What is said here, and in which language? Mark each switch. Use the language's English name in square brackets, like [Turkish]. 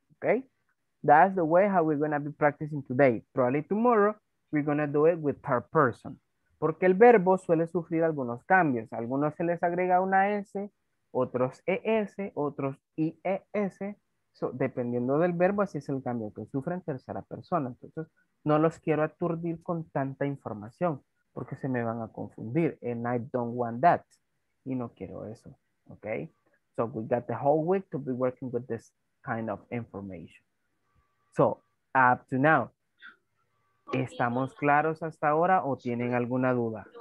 [English] Okay, that's the way how we're going to be practicing today. Probably tomorrow, we're going to do it with third person. [Spanish] porque el verbo suele sufrir algunos cambios. A algunos se les agrega una S, otros ES, otros IES, so, dependiendo del verbo, así es el cambio que sufre en tercera persona. Entonces, no los quiero aturdir con tanta información, porque se me van a confundir. [English] And I don't want that. [Spanish] Y no quiero eso. [English] Ok. So, we got the whole week to be working with this kind of information. So, up to now. [Spanish] ¿Estamos claros hasta ahora o tienen alguna duda?